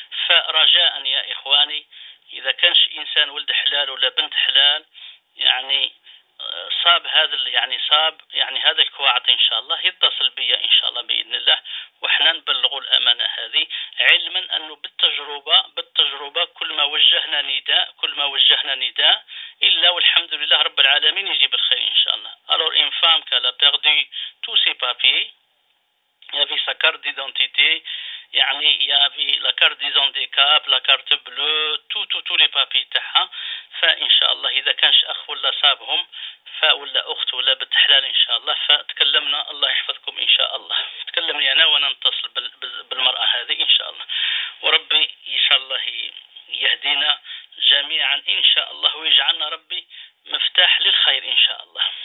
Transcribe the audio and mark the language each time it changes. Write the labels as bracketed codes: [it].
[ar] فرجاء يا اخواني، اذا كانش انسان ولد حلال ولا بنت حلال، يعني صاب هذا الكواعد ان شاء الله، يتصل بي ان شاء الله باذن الله، وحنا نبلغوا الامانه هذه، علما انه بالتجربه كل ما وجهنا نداء الا والحمد لله رب العالمين يجيب الخير ان شاء الله. [fr] alors une femme qui a perdu tous ses papiers، il y avait sa carte d'identité، يعني il y avait la carte des handicap، la carte bleue، tous les papiers تاعها. [ar] فان شاء الله اذا كانش اخ ولا صابهم ولا أخت ولا بنت حلال إن شاء الله، فتكلمنا الله يحفظكم إن شاء الله. تكلمني أنا وأنا نتصل بالمرأة هذه إن شاء الله، وربي إن شاء الله يهدينا جميعا إن شاء الله، ويجعلنا ربي مفتاح للخير إن شاء الله.